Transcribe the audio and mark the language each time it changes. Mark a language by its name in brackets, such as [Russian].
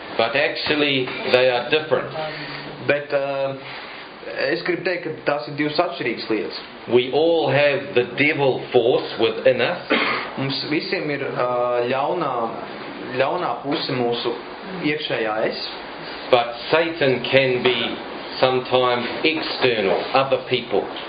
[English] But actually they are different. [Latvian] Bet es gribu teikt, ka tās ir divas atšķirīgas lietas. [English] We all have the devil force within us. [Latvian] Mums visiem ir ļaunā puse mūsu iekšējā es. [English] But Satan can be sometimes external, other people.